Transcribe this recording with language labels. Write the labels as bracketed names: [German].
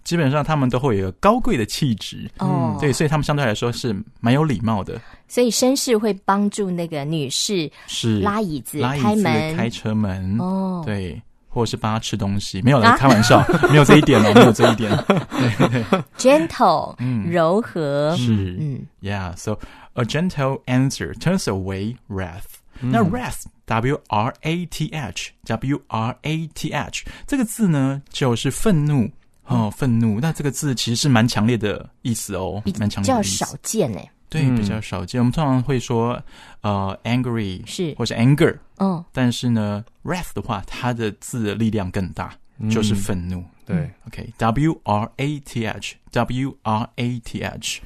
[Chinese] 基本上他们都会有一个高贵的气质、哦、对所以他们相对来说是蛮有礼貌的所以绅士会帮助那个女士拉椅子、开门、开车门、哦、对，或是帮她吃东西，没有了、啊，开玩笑，没有这一点了，没有这一点。 Gentle,、嗯、柔和， [English] 是，嗯 ，Yeah, so a gentle answer turns away wrath.、嗯、 [Chinese] 那 wrath, W-R-A-T-H, W-R-A-T-H 这个字呢，就是愤怒。哦，愤怒，那这个字其实是蛮强烈的意思哦，蛮强烈的意思，比较少见哎、欸。对、嗯、比较少见我们通常会说angry 是或是 anger、哦、但是呢 wrath 的话它的字的力量更大、嗯、就是愤怒对 [English] OK W-R-A-T-H W-R-A-T-H